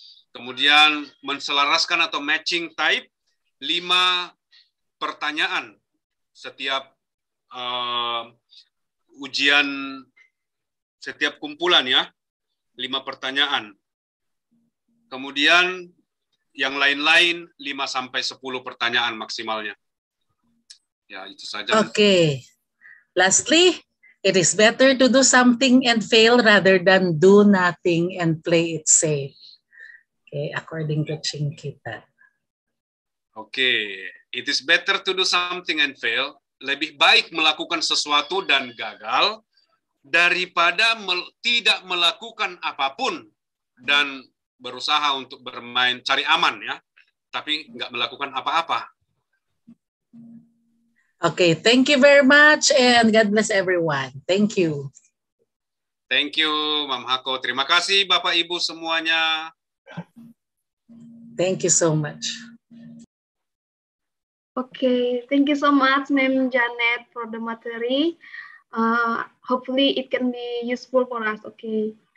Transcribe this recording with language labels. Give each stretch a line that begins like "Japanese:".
Indonesian: Kemudian menselaraskan atau matching type, 5 pertanyaan setiap ujian, setiap kumpulan ya, 5 pertanyaan. Kemudian yang lain-lain 5 sampai 10 pertanyaan maksimalnya. Ya, itu saja.
English: Oke. Okay. Lastly, it is better to do something and fail rather than do nothing and play it safe. Okay, according to Ching Kita. Okay, it is better to do something and fail.
Indonesian: Lebih baik melakukan sesuatu dan gagal daripada tidak melakukan apapun dan berusaha untuk bermain cari aman ya, tapi nggak melakukan apa-apa.
English: Okay, thank you very much and God bless everyone. Thank you. Thank you, Mam Hako.
Indonesian: Terima kasih Bapak Ibu semuanya.
English: Thank you so much. Okay, thank you so much, Mam Janet, for the materi. Hopefully it can be useful for us. Okay.